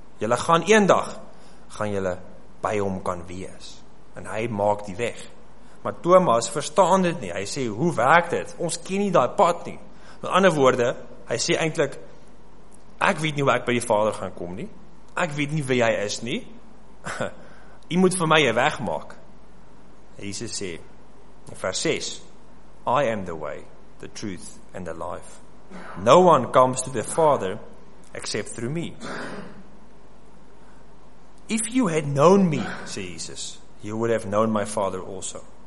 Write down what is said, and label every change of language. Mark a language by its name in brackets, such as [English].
[Afrikaans] Julle gaan een dag, gaan julle by hom kan wees. En hy maak die weg. Maar Thomas verstaan dit nie. Hy sê, hoe werk dit? Ons ken nie die pad nie. Met andere woorden, hy sê eintlik, ek weet nie hoe ek by die Vader gaan kom nie. Ek weet nie wie hy is nie. Hy moet vir my een weg maak. Jesus sê, in vers 6, [English] "I am the way, the truth and the life. No one comes to the Father except through me. If you had known me," [Afrikaans] sê Jesus, [English] "you would have known my Father also."